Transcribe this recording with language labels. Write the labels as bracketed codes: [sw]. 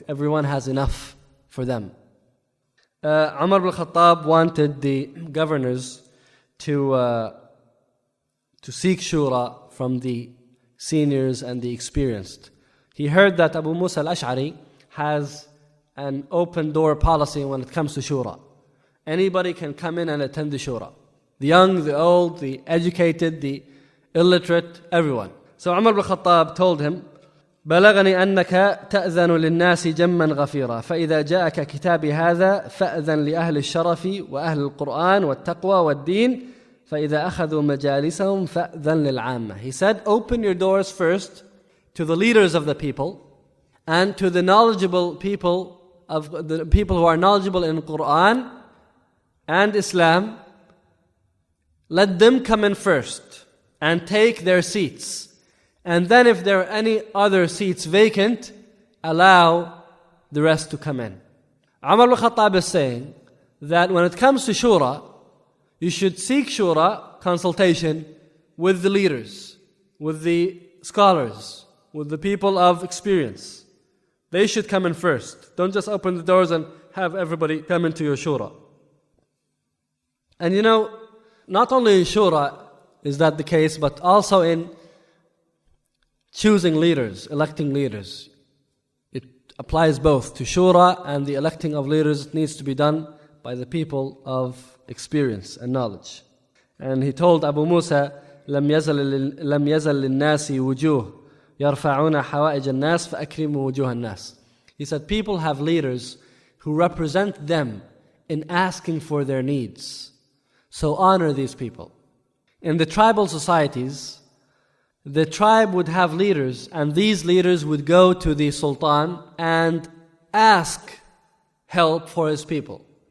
[en] Everyone has enough for them. Umar ibn Khattab wanted the governors to seek shura from the seniors and the experienced. He heard that Abu Musa al-Ash'ari has an open door policy when it comes to shura. Anybody can come in and attend the shura. The young, the old, the educated, the illiterate, everyone. So Umar ibn Khattab told him, [ar] بلغني أنك تأذن للناس جما غفيرا فإذا جاءك كتاب هذا فأذن لأهل الشرف وأهل القرآن والتقوى والدين فإذا أخذوا مجالسهم فأذن للعامة. [en] He said, open your doors first to the leaders of the people and to the knowledgeable people, of the people who are knowledgeable in Quran and Islam. Let them come in first and take their seats. And then if there are any other seats vacant, allow the rest to come in. Umar ibn Khattab is saying that when it comes to shura, you should seek shura consultation with the leaders, with the scholars, with the people of experience. They should come in first. Don't just open the doors and have everybody come into your shura. And you know, not only in shura is that the case, but also in choosing leaders, electing leaders. It applies both to shura and the electing of leaders. It needs to be done by the people of experience and knowledge. And he told Abu Musa, [ar] لم يزل للناس وجوه يرفعون حوائج الناس فأكرموا وجوه الناس. [en] He said, people have leaders who represent them in asking for their needs. So honor these people. In the tribal societies, the tribe would have leaders, and these leaders would go to the sultan and ask help for his people.